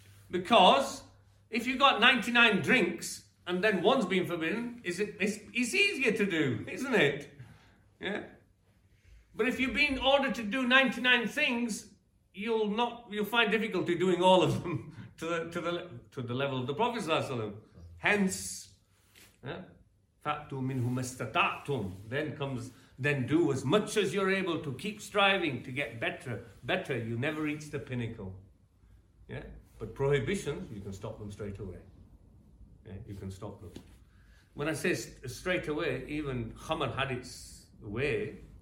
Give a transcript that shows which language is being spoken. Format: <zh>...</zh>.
<en>Because if you've got 99 drinks and then one's been forbidden, it's easier to do, isn't it? Yeah. But if you've been ordered to do 99 things, you'll find difficulty doing all of them to the level of the Prophet Sallallahu Alaihi Wasallam. Hence,</en> <ar>فَأْتُوا مِنْهُ مَسْتَطَعْتُمْ.</ar> <en>Then do as much as you're able to keep striving to get better, better. You never reach the pinnacle. Yeah? But prohibitions, you can stop them straight away. Yeah? You can stop them. When I say straight away, even khamar had its way.</en>